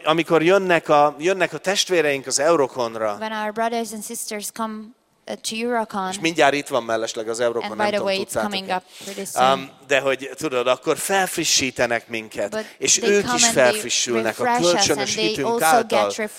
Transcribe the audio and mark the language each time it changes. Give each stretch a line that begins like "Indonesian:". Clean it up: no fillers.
Hungarian: Amikor jönnek a testvéreink az Eurokonra.
English: When our brothers and sisters come to Eurocon.
Hungarian: És mindjárt itt van mellesleg az Eurocon,
English: and by the way, it's coming up pretty soon.
Hungarian: De hogy tudod, akkor felfrissítenek minket, és ők is felfrissülnek a kölcsönös hitünk által.